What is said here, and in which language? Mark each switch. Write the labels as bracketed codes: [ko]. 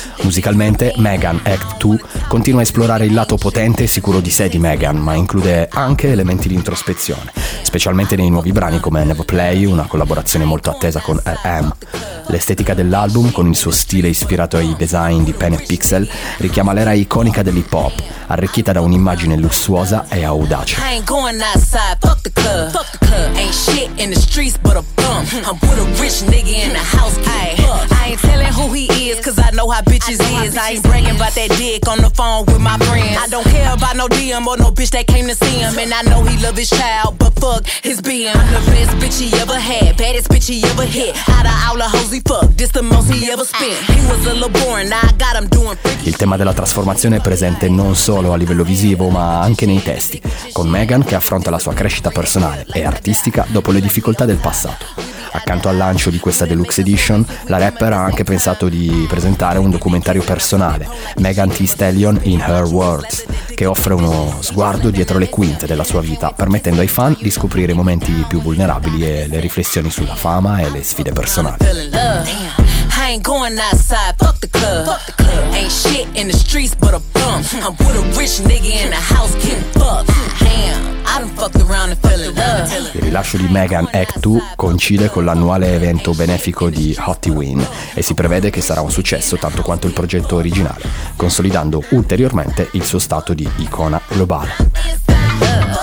[it] Musicalmente, Megan Act 2 continua a esplorare il lato potente e sicuro di sé di Megan, ma include anche elementi di introspezione, specialmente nei nuovi brani come Never Play, una collaborazione molto attesa con RM. L'estetica dell'album, con il suo stile ispirato ai design di Pen & Pixel, richiama l'era iconica dell'hip hop, arricchita da un'immagine lussuosa e audace. [en] I ain't going outside, fuck the club, ain't shit in the streets but a bum, I'm with a rich nigga in the house, I ain't telling who he is, cause I know how bitches is, I ain't bragging about that dick on the phone with my friends, I don't care about no DM or no bitch that came to see him, and I know he love his child, but fuck his BM, I'm the best bitch he ever had, baddest bitch he ever hit, out of all the hoes he fucked, this the most he ever spent, he was a little boring, now I got him doing freaky. [it] Il tema della trasformazione è presente non solo a livello visivo, ma anche nei testi, con Megan che affronta la sua crescita personale e artistica dopo le difficoltà del passato. Accanto al lancio di questa deluxe edition, la rapper ha anche pensato di presentare un documentario personale, Megan Thee Stallion in Her Words, che offre uno sguardo dietro le quinte della sua vita, permettendo ai fan di scoprire i momenti più vulnerabili e le riflessioni sulla fama e le sfide personali. [en] I ain't going outside, fuck the club, ain't shit in the streets but a bum, I'm with a rich nigga in the house getting fucked, damn. [it] Il rilascio di Megan Act 2 coincide con l'annuale evento benefico di Hottie Win e si prevede che sarà un successo tanto quanto il progetto originale, consolidando ulteriormente il suo stato di icona globale.